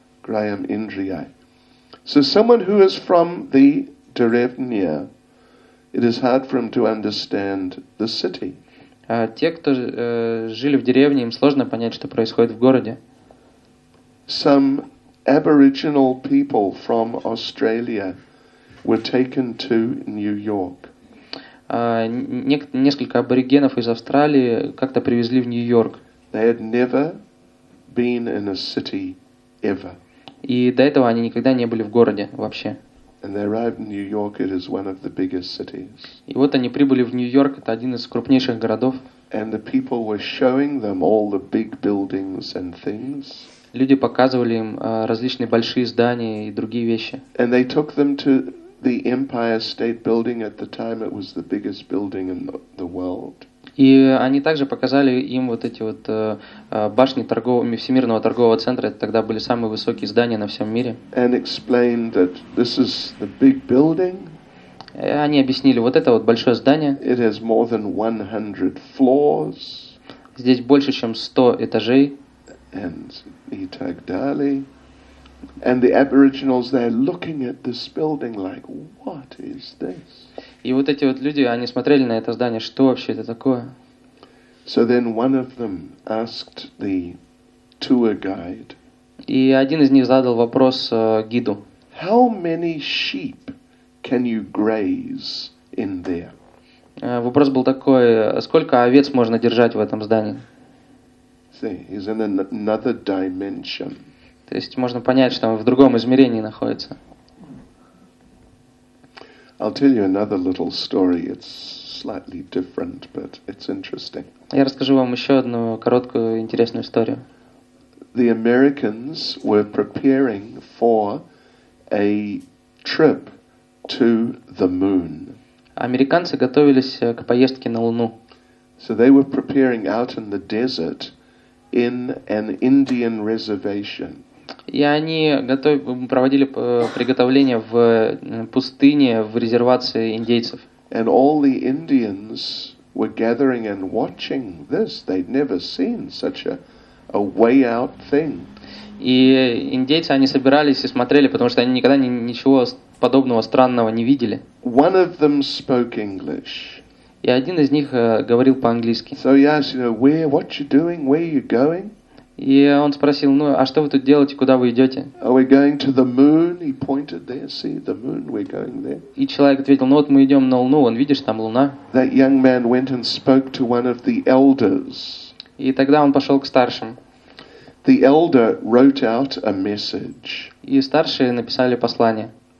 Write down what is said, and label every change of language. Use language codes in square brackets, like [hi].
[sa] Grahyam indriyai. [en] So someone who is from the деревня, it is hard for him to understand the city. [ru] Те, кто жили в деревне, им сложно понять, что происходит в городе. [en] Some aboriginal people from Australia were taken to New York. [ru] Несколько аборигенов из Австралии как-то привезли в Нью-Йорк. [en] They had never been in a city ever. [ru] И до этого они никогда не были в городе вообще. [en] And they arrived in New York. It is one of the biggest cities. [ru] И вот они прибыли в Нью-Йорк. Это один из крупнейших городов. [en] And the people were showing them all the big buildings and things. [ru] Люди показывали им различные большие здания и другие вещи. [en] And they took them to the Empire State Building. At the time, it was the biggest building in the world. [ru] И они также показали им вот эти вот башни торгового, Всемирного торгового центра. Это тогда были самые высокие здания на всем мире. [en] And explained that this is the big building. [ru] Они объяснили, вот это вот большое здание. [en] It has more than 100 floors. [ru] Здесь больше, чем 100 этажей. And и так далее. [en] And the aboriginals, they're looking at this building like, what is this? [ru] И вот эти вот люди, они смотрели на это здание, что вообще это такое? [en] So then one of them asked the tour guide. [ru] И один из них задал вопрос гиду. [en] How many sheep can you graze in there? [ru] Вопрос был такой, сколько овец можно держать в этом здании? [en] See, he's in another dimension. [ru] То есть можно понять, что он в другом измерении находится. [en] I'll tell you another little story. It's slightly different, but it's interesting. [ru] Я расскажу вам еще одну короткую интересную историю. [en] The Americans were preparing for a trip to the moon. [ru] Американцы готовились к поездке на Луну. [en] So they were preparing out in the desert in an Indian reservation. [ru] И они проводили приготовление в пустыне, в резервации индейцев. [en] And all the Indians were gathering and watching this. They'd never seen such a way out thing. [ru] И индейцы, они собирались и смотрели, потому что они никогда ничего подобного странного не видели. [en] One of them spoke English. [ru] И один из них говорил по-английски. [en] So he asked, you know, where, what you doing, where you going? [ru] И он спросил, ну, а что вы тут делаете, куда вы идете? [en] Are we going to the moon? He pointed there, see, the moon, we're going there. [ru] И человек ответил, ну вот мы идем на Луну, он видишь, там Луна. [en] That young man went and spoke to one of the elders. [ru] И тогда он пошел к старшим. [en] The elder wrote out a message. [ru] И старшие написали послание.